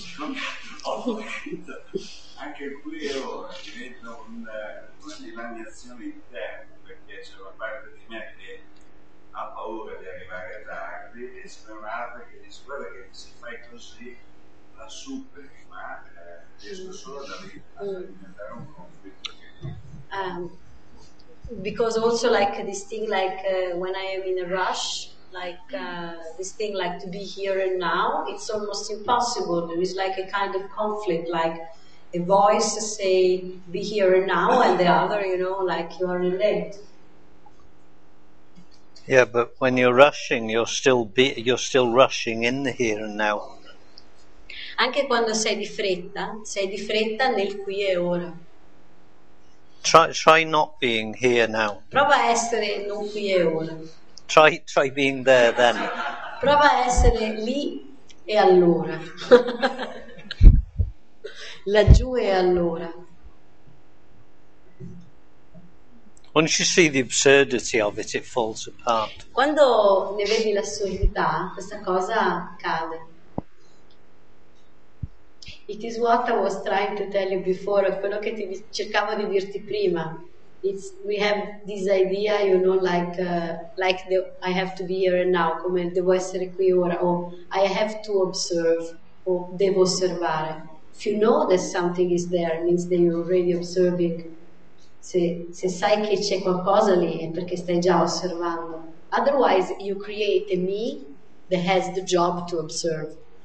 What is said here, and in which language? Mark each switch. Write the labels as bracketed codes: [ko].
[it] Anche qui e ora diventa una dilaniazione interna, perché c'è una parte di me che ha paura di arrivare tardi e c'è un'altra che dice: guarda che se fai così la superi, ma riesco solo da lì a diventare un conflitto che [en] because also like this thing like when I am in a rush, like this thing like to be here and now, it's almost impossible. There is like a kind of conflict, like a voice say be here and now, and the other, you know, like you are late. Yeah, but when you're rushing, you're still rushing in the here and now. [it] Anche quando sei di fretta nel qui e ora. [en] Try not being here now. [it] Prova a essere non qui e ora. [en] Try being there then. [it] Prova a essere lì e allora. Laggiù e allora. [en] Once you see the absurdity of it, it falls apart. [it] Quando ne vedi l'assurdità, questa cosa cade. [en] It is what I was trying to tell you before, [it] quello che ti cercavo di dirti prima. [en] It's, we have this idea, you know, like the, I have to be here and now, [it] come devo essere qui ora, [en] or I have to observe, or [it] devo osservare. [en] If you know that something is there, it means that you're already observing. [it] Se sai che c'è qualcosa lì, è perché stai già osservando. [en] Otherwise, you create a me that has the job to observe.